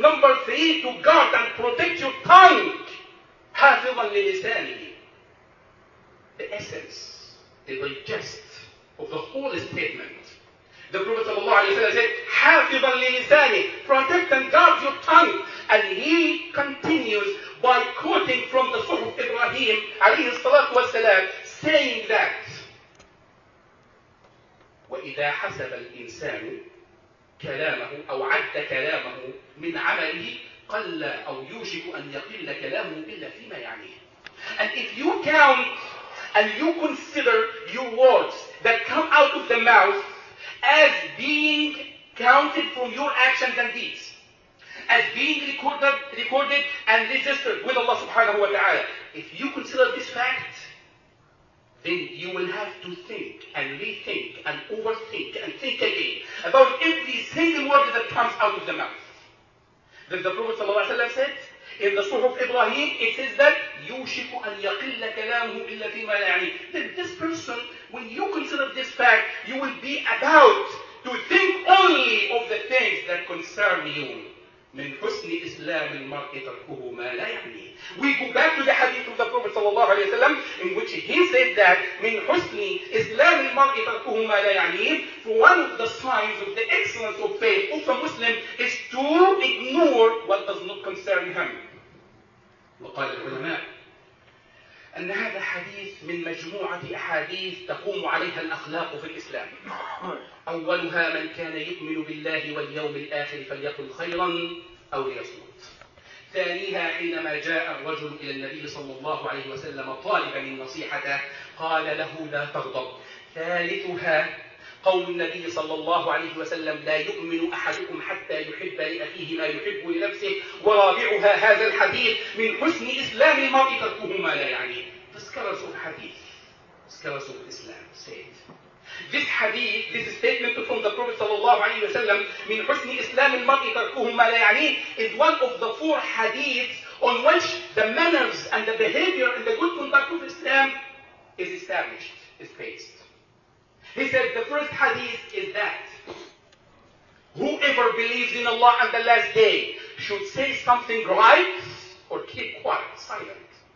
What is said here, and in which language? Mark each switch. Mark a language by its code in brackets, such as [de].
[en] Number three, to guard and protect your tongue, [ar] hafizan li lisanihi. [en] The essence, the digest of the whole statement. The Prophet said, [ar] حَافِظًا لِلِسَانِ, [en] protect and guard your tongue. And he continues by quoting from the Suhuf Ibrahim [ar] عليه الصلاة والسلام, [en] saying that [ar] وَإِذَا حَسَبَ الْإِنسَانُ كَلَامَهُ أَوْ عَدَّ كَلَامَهُ مِنْ عَمَلِهِ قَلَّ أَوْ يُوشِكُ أَنْ يَقِلَّ كَلَامُهُ إِلَّا فِيمَا يَعْنِيهِ. [en] And if you count and you consider your words that come out of the mouth as being counted from your actions and deeds, as being recorded and registered with Allah [ar] subhanahu wa ta'ala, [en] if you consider this fact, then you will have to think and rethink and overthink and think again about every single word that comes out of the mouth. Then the Prophet [ar] sallallahu alayhi wa sallam [en] said, in the Suhuf Ibrahim, it says that [ar] يُوشِكُ أَنْ يَقِلَّ كَلَامُهُ إِلَّا فِي مَا لَا يَعْنِي. [en] Then this person, when you consider this fact, you will be about to think only of the things that concern you, [ar] من حسن إسلام المرء تركه ما لا يعني. [en] We go back to the hadith of the Prophet [ar] صلى الله عليه وسلم [en] in which he said that [ar] من حسن إسلام المرء تركه ما لا يعني. [en] One of the signs of the excellence of faith of a Muslim is to ignore what does not concern him. [ar] وقال العلماء أن هذا حديث من مجموعة أحاديث تقوم عليها الأخلاق في الإسلام. أولها من كان يؤمن بالله واليوم الآخر فليقل خيرا أو ليصمت. ثانيها حينما جاء الرجل إلى النبي صلى الله عليه وسلم طالبا من نصيحته قال له لا تغضب. ثالثها قول النبي صلى الله عليه وسلم لا يؤمن أحدكم حتى يحب لأخيه ما يحب لنفسه. ورابعها هذا الحديث من حسن إسلام المرء تركه ما لا يعني. فاسكرس الحديث اسكرس الإسلام سيد. [en] This hadith, this statement from the Prophet [ar] صلى الله عليه وسلم من حسن إسلام المرء تركه ما لا يعني [en] is one of the four hadiths on which the manners and the behavior and the good conduct of Islam is established, is based. He said, the first hadith is that whoever believes in Allah and the last day should say something right or keep quiet, silent.